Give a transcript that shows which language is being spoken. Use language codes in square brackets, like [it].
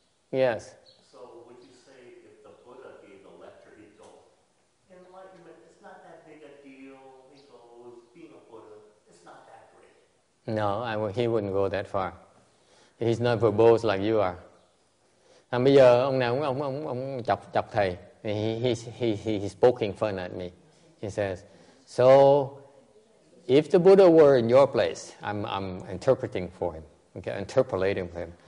[en] Yes. So would you say if the Buddha gave the lecture, he goes, enlightenment is not that big a deal, he goes, being a Buddha, it's not that great. No, he wouldn't go that far. He's not verbose like you are. [vi] And bây giờ ông nào ông chọc thầy, [en] he poking fun at me. He says, so if the Buddha were in your place, I'm interpreting for him, okay, interpolating for him.